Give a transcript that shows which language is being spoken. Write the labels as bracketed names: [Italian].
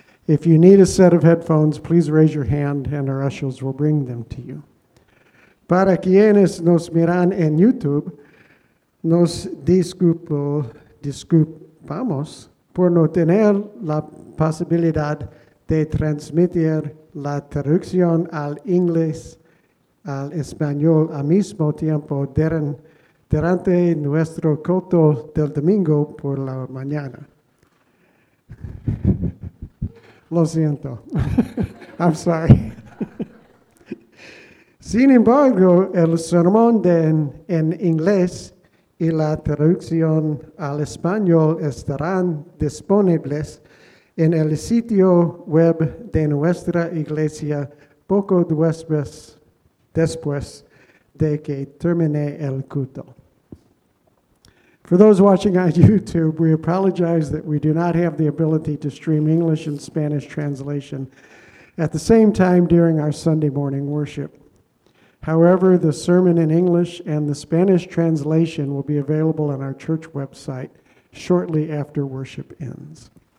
[English] If you need a set of headphones, please raise your hand and our ushers will bring them to you. [Spanish] Para quienes nos miran en YouTube, nos disculpamos por no tener la posibilidad de transmitir la traducción al inglés al español al mismo tiempo durante nuestro culto del domingo por la mañana. Lo siento. [English] I'm sorry. [Spanish] Sin embargo, el sermón en inglés y la traducción al español estarán disponibles en el sitio web de nuestra iglesia poco después de que termine el culto. [English] For those watching on YouTube, we apologize that we do not have the ability to stream English and Spanish translation at the same time during our Sunday morning worship. However, the sermon in English and the Spanish translation will be available on our church website shortly after worship ends.